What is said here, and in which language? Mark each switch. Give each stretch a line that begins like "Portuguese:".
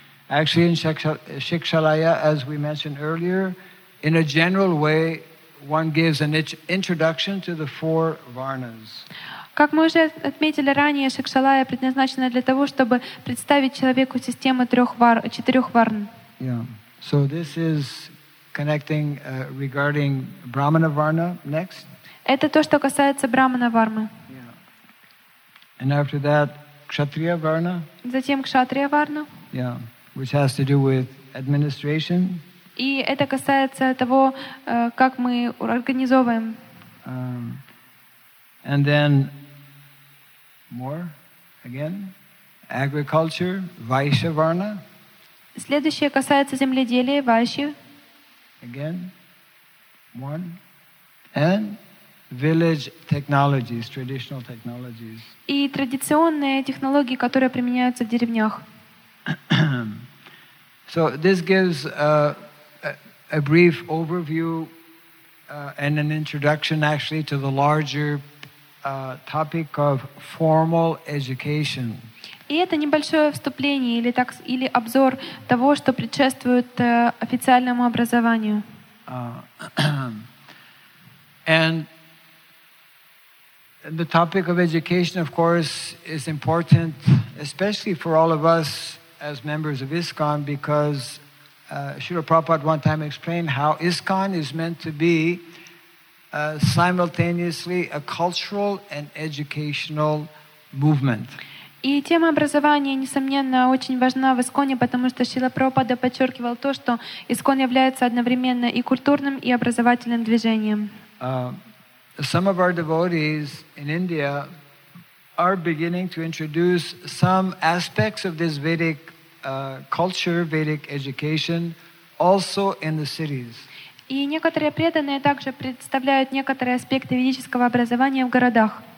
English: Actually, in Shikshalaya, as we mentioned earlier, in a general way, one gives an introduction to the four varnas.
Russian: Как мы уже отметили ранее, Шикшалая предназначена для того, чтобы представить человеку систему четырех варн.
English: Yeah. So this is connecting regarding Brahmana Varna next.
Russian: Это то, что касается Брахмана Вармы.
English: Yeah. And after that, Кшатрия Варна.
Russian: Затем Кшатрия Варна.
English: Yeah. Which has to do with administration.
Russian: И это касается того, как мы организовываем.
English: And then more again, agriculture, Vaishya Varna.
Russian: Следующее касается земледелия, Vaishya.
English: Again, one and village technologies, traditional technologies.
Russian: И традиционные технологии, которые применяются в деревнях.
English: So this gives a brief overview and an introduction actually to the larger topic of formal education.
Russian: И это небольшое вступление или так или обзор того, что предшествует официальному образованию.
English: And the topic of education, of course, is important, especially for all of us as members of ISKCON, because Srila Prabhupada one time explained how ISKCON is meant to be simultaneously a cultural and educational movement.
Russian: И тема образования, несомненно, очень важна в ИСККОНе, потому что Шрила Прабхупада подчеркивал то, что ИСККОН является одновременно и культурным, и образовательным движением.
English: Some of our devotees in India are beginning to introduce some aspects of this Vedic culture, Vedic education, also in the cities.
Russian: И некоторые преданные также представляют некоторые аспекты ведического образования в городах.